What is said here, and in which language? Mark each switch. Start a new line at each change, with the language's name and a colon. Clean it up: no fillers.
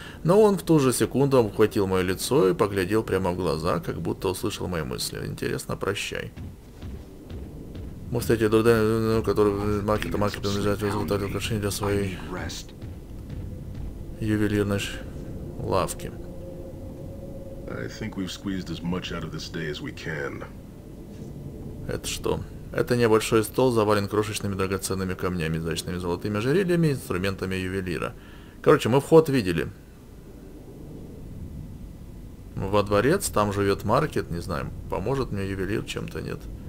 Russian: Но он в ту же секунду обхватил мое лицо и поглядел прямо в глаза, как будто услышал мои мысли. Интересно, прощай. Мы встретили друга, который Маркет и Маркет принадлежит результат украшения для своей ювелирной лавки.
English: I think we've squeezed as much out of this day as we can.
Russian: Это что? Это небольшой стол, завален крошечными драгоценными камнями, изящными золотыми ожерельями и инструментами ювелира. Короче, мы вход видели. Во дворец, там живет Маркет, не знаю, поможет мне ювелир чем-то, нет.